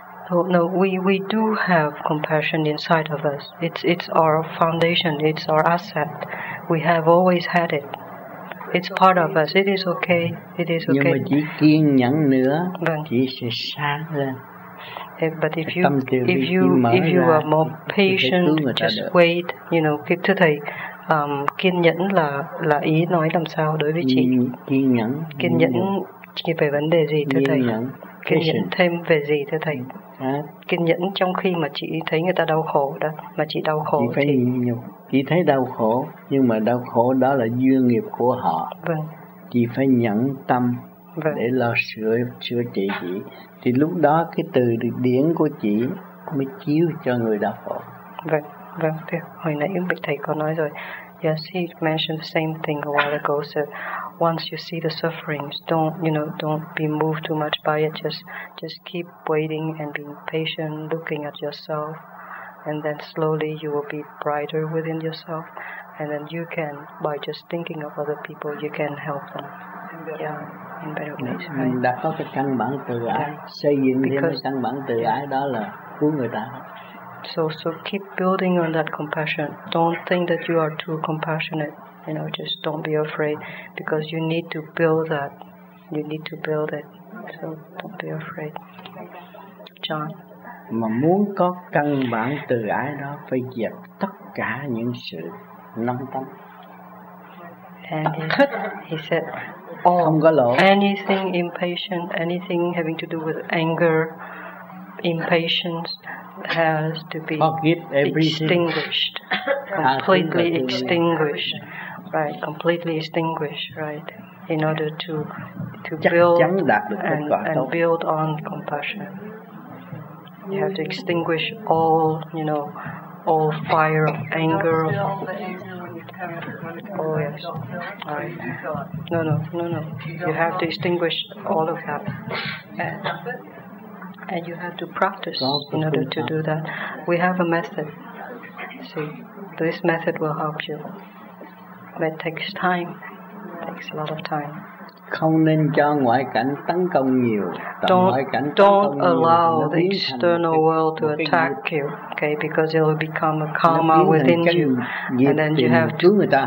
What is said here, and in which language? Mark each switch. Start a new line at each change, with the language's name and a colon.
English: So, no, we do have compassion inside of us. It's our foundation. It's our asset. We have always had it. It's part of us. It is okay. It is okay.
Vietnamese: Nhưng mà chỉ kiên nhẫn nữa, chỉ sẽ sáng lên.
English: But if you are more patient, just wait, you know, keep to thầy.
Vietnamese: Kiên nhẫn là ý nói làm sao đối với chị? Kiên nhẫn. Kiên nhẫn chị về vấn đề gì thưa thầy? Kiên nhẫn thêm về gì thưa thầy? Kiên nhẫn trong khi mà chị thấy người ta đau khổ đó, mà chị đau khổ chị thấy đau khổ, nhưng mà đau khổ đó là duyên nghiệp của họ. Vâng. Chị phải nhẫn tâm để lo sửa trị chị. Thì lúc đó cái từ điển của chị mới chiếu cho người đau khổ. Vâng. Vâng, thưa. Hồi nãy bạch thầy có nói rồi.
English: Yes, he mentioned the same thing a while ago. So once you see the sufferings, don't be moved too much by it. Just keep waiting and being patient, looking at yourself, and then slowly you will be brighter within yourself, and then you can, by just thinking of other people, you can help them. Yeah, in better ways.
Vietnamese: Mình đã có cái căn bản từ ái, xây dựng thêm cái căn bản từ ái đó là cứu người ta.
English: So keep building on that compassion. Don't think that you are too compassionate. You know, just don't be afraid, because you need to build that. You need to build it. So don't be afraid. John.
Vietnamese: Mà muốn có căn bản từ ái đó, phải dẹp tất cả những sự nóng tâm.
English: And he said, anything impatient, anything having to do with anger, impatience has to be extinguished, completely extinguished, right? Completely extinguished, right? In order to build and build on compassion, you have to extinguish all, you know, all fire of anger. Oh yes, right. No. You have to extinguish all of that. And you have to practice in order to do that. We have a method. See, this method will help you. But it takes time. It takes a lot of time.
Vietnamese: Không nên cho ngoại cảnh tấn công nhiều.
English: Don't allow the external world to attack you, okay? Because it will become a karma within you, and then you have to.